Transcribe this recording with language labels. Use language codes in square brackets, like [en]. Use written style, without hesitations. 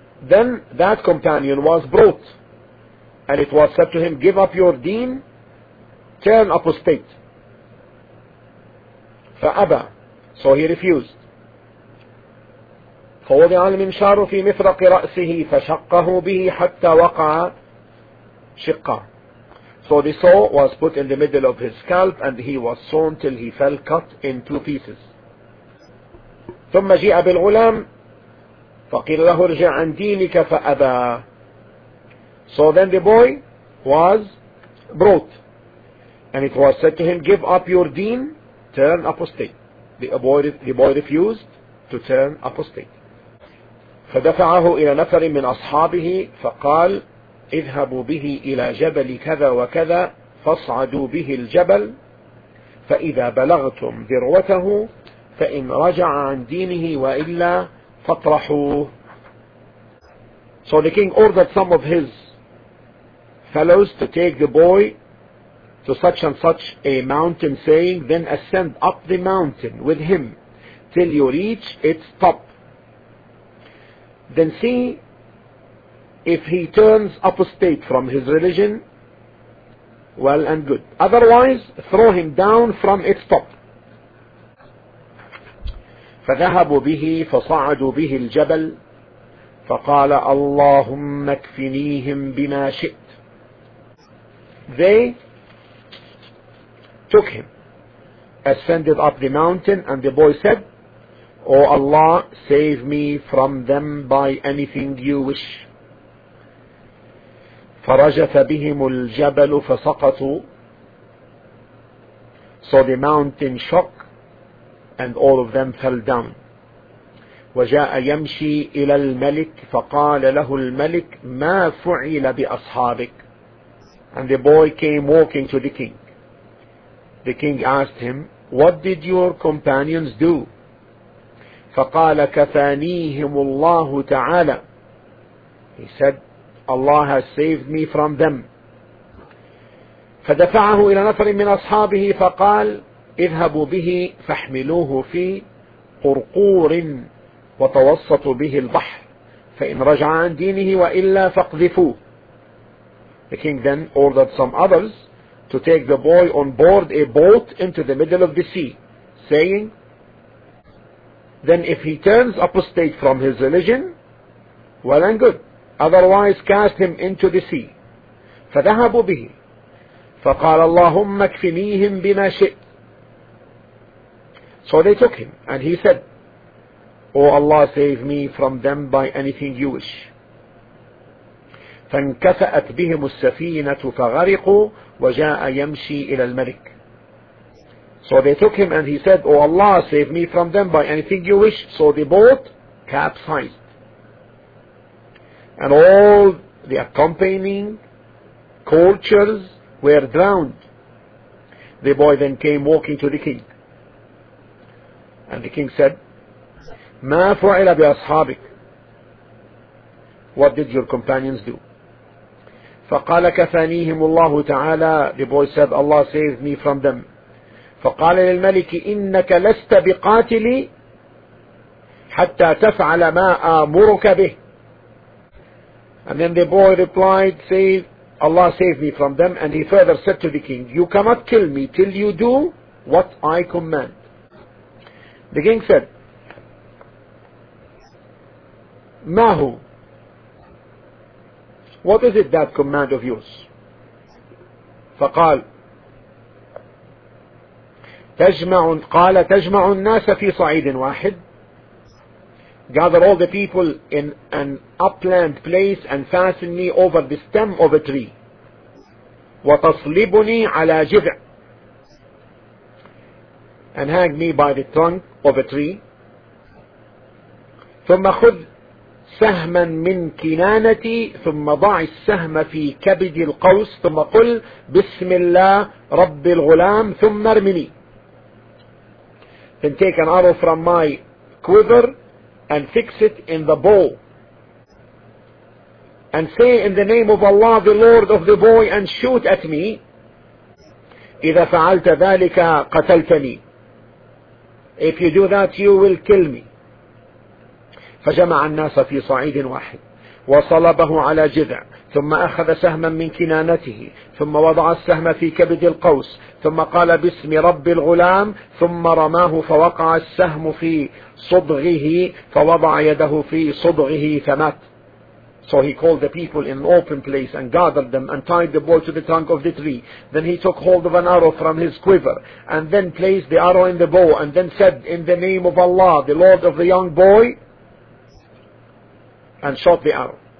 [en] Then that companion was brought and it was said to him, give up your deen, turn apostate. [ar] فأبى, [en] so he refused. [ar] فوضع المنشار في مفرق رأسه فشقه به حتى وقع شقا. [en] So the saw was put in the middle of his scalp and he was sawn till he fell cut in two pieces. [ar] ثم جاء بالغلام فقيل له ارجع عن دينك فأبى. [en] So then the boy was brought and it was said to him, give up your deen, turn apostate. The boy refused to turn apostate. [ar] فدفعه إلى نفر من أصحابه فقال اذهبوا به إلى جبل كذا وكذا فاصعدوا به الجبل فإذا بلغتم ذروته فإن رجع عن دينه وإلا فاطرحوه. [en] So the king ordered some of his fellows to take the boy to such and such a mountain, saying, then ascend up the mountain with him till you reach its top. Then see if he turns apostate from his religion, well and good. Otherwise, throw him down from its top. [ar] فذهبوا به فصعدوا به الجبل فقال اللهم اكفنيهم بما شئت. [en] They took him, ascended up the mountain, and the boy said, O Allah, save me from them by anything you wish. [ar] فرجف بهم الجبل فسقطوا. [en] So the mountain shook and all of them fell down. [ar] وجاء يمشي إلى الملك فقال له الملك ما فعل بأصحابك. [en] And the boy came walking to the king. The king asked him, what did your companions do? [ar] فقال كفانيهم الله تعالى. [en] He said, Allah has saved me from them. [ar] فدفعه إلى نفر من أصحابه فقال اذهبوا به فاحملوه في قرقور وتوسطوا به البحر فإن رجع عن دينه وإلا فاقذفوه. [en] The king then ordered some others to take the boy on board a boat into the middle of the sea, saying, then if he turns apostate from his religion, well and good. Otherwise, cast him into the sea. [ar] فذهبوا به. فقال اللهم اكفنيهم بما شئت. [en] So they took him, and he said, O Allah, save me from them by anything you wish. [ar] فانكفأت بهم السفينة فغرقوا وجاء يمشي إلى الملك. [en] So they took him, and he said, O Allah, save me from them by anything you wish. So the boat capsized. And all the accompanying cultures were drowned. The boy then came walking to the king. And the king said, [ar] ما فعل بأصحابك? [en] What did your companions do? [ar] فقال كفانيهم الله تعالى. [en] The boy said, Allah saved me from them. [ar] فقال للملك إنك لست بقاتلي حتى تفعل ما آمرك به. [en] And then the boy replied, say, Allah save me from them. And he further said to the king, you cannot kill me till you do what I command. The king said, Mahu, what is it that command of yours? [ar] فقال, تجمع الناس في صعيد واحد. [en] Gather all the people in an upland place and fasten me over the stem of a tree. [ar] وَتَصْلِبُنِي عَلَى جِذْعٍ. [en] And hang me by the trunk of a tree. [ar] ثُمَّ خُذْ سَهْمًا مِنْ كِنَانَتِي ثُمَّ ضَعِ السَّهْمَ فِي كَبِدِ الْقَوْسِ ثُمَّ قُلْ بِسْمِ اللَّهِ رَبِّ الْغُلَامِ ثُمَّ ارْمِنِي. [en] Then take an arrow from my quiver and fix it in the bow. And say in the name of Allah, the Lord of the boy, and shoot at me. [ar] إذا فعلت ذلك قتلتني. [en] If you do that you will kill me. [ar] فجمع الناس في صعيد واحد وصلبه على جذع، ثم أخذ سهما من كنانته، ثم وضع السهم في كبد القوس، ثم قال باسم رب الغلام، ثم رماه فوقع السهم في صدغه، فوضع يده في صدغه فمات. [en] So he called the people in an open place and gathered them and tied the boy to the trunk of the tree. Then he took hold of an arrow from his quiver and then placed the arrow in the bow and then said, in the name of Allah, the Lord of the young boy, and shot the arrow.